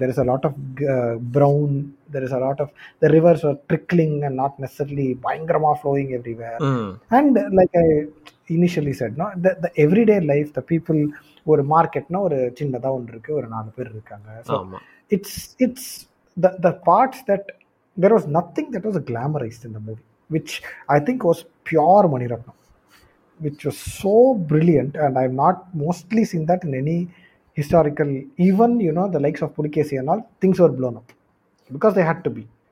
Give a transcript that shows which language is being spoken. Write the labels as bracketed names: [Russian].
[English] There is a lot of brown, there is a lot of the rivers are trickling and not necessarily bhayangarama flowing everywhere. And like I initially said, no, the everyday life, the people, [Tamil] ஒரு market னா ஒரு சின்னதா ஒன்று இருக்கு, ஒரு நாலு பேர் இருக்காங்க. [English] It's the parts that there was nothing that was glamorized in the movie, which I think was pure Maniratnam, which was so brilliant. And I've not mostly seen that in any historical, even, you know, the likes of Pulikesi and all, things were blown up because they had to be.